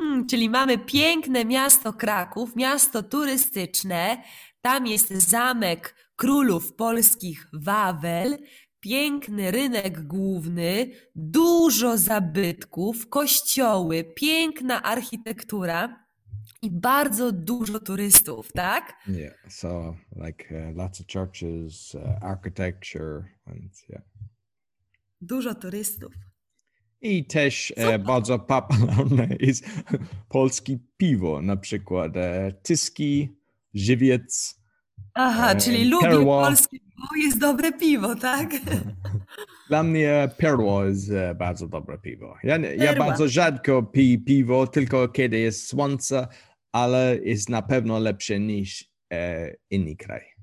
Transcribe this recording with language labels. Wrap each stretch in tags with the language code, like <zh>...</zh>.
<pl>Czyli mamy piękne miasto Kraków, miasto turystyczne, tam jest zamek królów polskich Wawel, piękny rynek główny, dużo zabytków, kościoły, piękna architektura i bardzo dużo turystów, tak?</pl> <en>Yeah, so like lots of churches, architecture and yeah.</en> <pl>Dużo turystów. I też bardzo popularne jest polskie piwo, na przykład Tyski, Żywiec. Aha, czyli lubię polskie piwo, jest dobre piwo, tak? Dla mnie Perło jest bardzo dobre piwo. Ja bardzo rzadko piję piwo, tylko kiedy jest słońce, ale jest na pewno lepsze niż inny kraj.</pl>